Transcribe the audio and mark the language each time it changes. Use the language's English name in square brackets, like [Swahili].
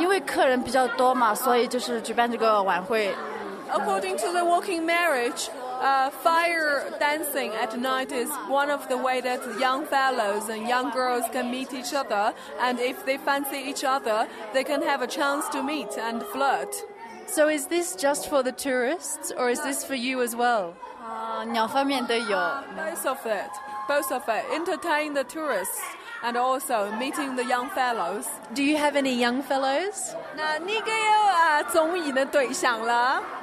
[Chinese] 这个呢，就是因为客人比较多嘛，所以就是举办这个晚会。 [English] According to the walking marriage, fire dancing at night is one of the ways that young fellows and young girls can meet each other, and if they fancy each other, they can have a chance to meet and flirt. So is this just for the tourists, or is this for you as well? Both of it. Entertain the tourists, and also meeting the young fellows. Do you have any young fellows? [Chinese] 那你也有啊，中意的对象了。